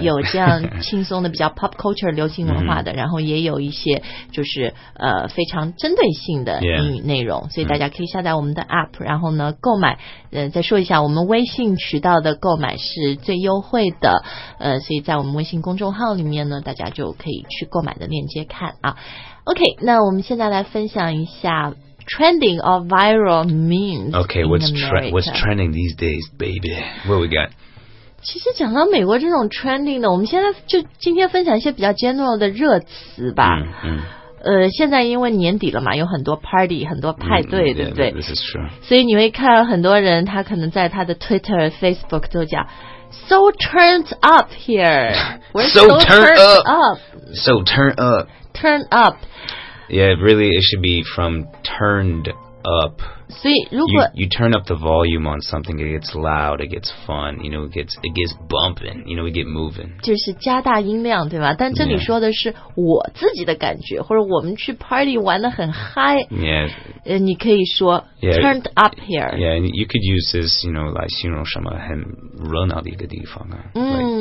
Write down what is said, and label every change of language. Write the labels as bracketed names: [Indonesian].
[Chinese] 有这样轻松的比较 pop culture 流行文化的然后也有一些就是非常针对性的英语内容所以大家可以下载我们的 app 然后呢购买再说一下我们微信渠道的购买是最优惠的所以在我们微信公众号里面呢大家就可以去购买的链接看啊 OK 那我们现在来分享一下 [English] Trending or viral memes. Okay, what's trending these days, baby? What we got? [Chinese] 其实讲到美国这种 trending 的，我们现在就今天分享一些比较 general 的热词吧。现在因为年底了嘛，有很多 party, 很多派对，对不对 [English] yeah, this is true. [Chinese] 所以你会看很多人，他可能在他的 Twitter、Facebook 都讲 [English] so turned up here. So turned up. Yeah, really, it should be from turned up. [Chinese] 所以如果 [English] you turn up the volume on something, it gets loud, it gets fun, you know, it gets bumping, you know, we get moving. [Chinese] 就是加大音量，对吧？但这里说的是我自己的感觉，或者我们去 party 玩得很 high. [English] Yeah. [Chinese] 你可以说 [English] turned up here. Yeah, and you could use this, you know, [Chinese] 来形容什么很热闹的一个地方啊。